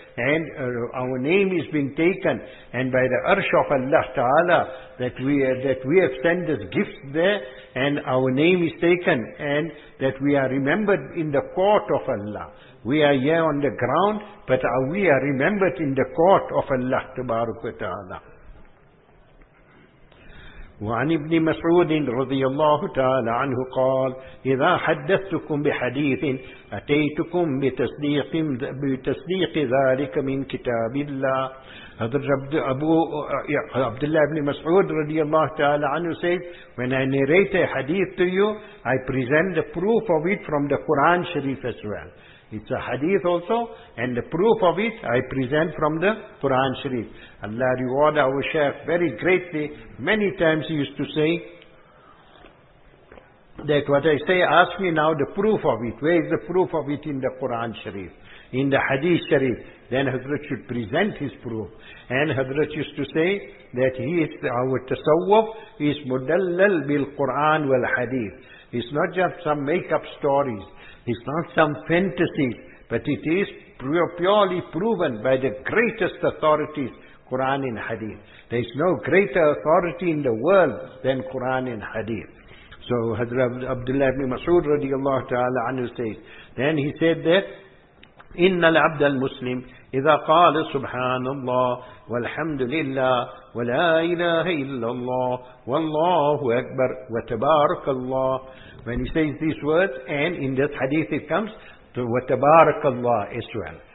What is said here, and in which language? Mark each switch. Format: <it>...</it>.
<en>And our name is being taken, and by the arsh of Allah ta'ala, that we have sent this gift there, and our name is taken, and that we are remembered in the court of Allah. We are here on the ground, but we are remembered in the court of Allah tabaraka wa ta'ala.</en> <ar>وعن ابن مسعود رضي الله تعالى عنه قال إذا حدثتكم بحديث أتيتكم بتصديق ذلك من كتاب الله. حضرت أبو عبد الله بن مسعود رضي الله تعالى عنه</ar> <en>said, when I narrate a hadith to you, I present the proof of it from the Quran Sharif as well. It's a hadith also, and the proof of it I present from the Quran Sharif. Allah reward our Shaykh very greatly. Many times he used to say that what I say, ask me now the proof of it. Where is the proof of it in the Quran Sharif? In the Hadith Sharif. Then Hazrat should present his proof. And Hazrat used to say that he is our tasawwuf is mudallal bil Quran wal Hadith. It's not just some make-up stories. It's not some fantasy, but it is purely proven by the greatest authorities, Quran and Hadith. There is no greater authority in the world than Quran and Hadith. So, Hazrat Abdullah ibn Mas'ud radiallahu ta'ala anhu says, then he said that,</en> <ar>إِنَّ الْعَبْدَ Muslim إِذَا قَالَ سُبْحَانَ اللَّهِ وَالْحَمْدُ لِلَّهِ وَلَا إِلَهَ إِلَّا اللَّهِ وَاللَّهُ أَكْبَرُ وَتَبَارَكَ اللَّهِ.</ar> <en>When he says these words, and in this hadith it comes, to</en> <ar>وَتَبَارَكَ اللَّهِ</ar> <en>as well.</en>